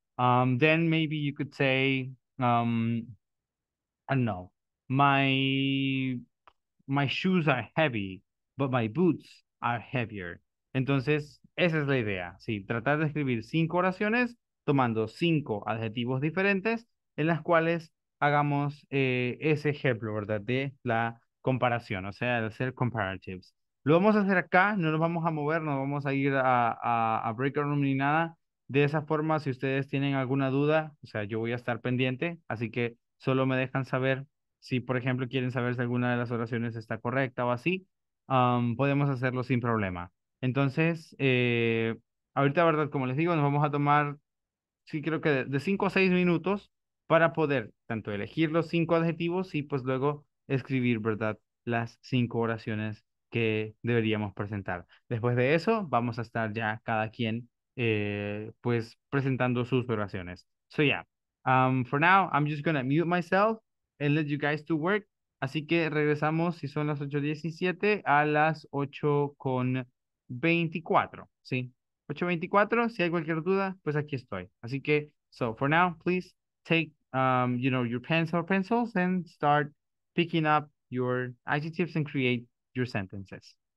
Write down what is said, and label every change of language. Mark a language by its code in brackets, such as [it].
[en] Then maybe you could say, I don't know, my shoes are heavy, but my boots are heavier. [es] Entonces, esa es la idea. Sí, tratar de escribir 5 oraciones tomando 5 adjetivos diferentes en las cuales hagamos ese ejemplo, ¿verdad?, de la comparación, o sea, de hacer comparatives. Lo vamos a hacer acá, no nos vamos a mover, no vamos a ir a break room ni nada. De esa forma, si ustedes tienen alguna duda, o sea, yo voy a estar pendiente, así que solo me dejan saber si, por ejemplo, quieren saber si alguna de las oraciones está correcta o así, podemos hacerlo sin problema. Entonces, Ahorita, ¿verdad? Como les digo, nos vamos a tomar, sí, creo que de 5 a 6 minutos para poder tanto elegir los 5 adjetivos y pues luego escribir, ¿verdad?, las 5 oraciones que deberíamos presentar. Después de eso, vamos a estar ya cada quien, pues, presentando sus oraciones. [en] So, yeah. For now, I'm just going to mute myself and let you guys to work. [es] Así que regresamos, si son las 8:17, a las 8:24, ¿sí? 8:24, si hay cualquier duda, pues aquí estoy. Así que, [en] so for now, please take, you know, your pens or pencils and start picking up your adjectives and create your sentences.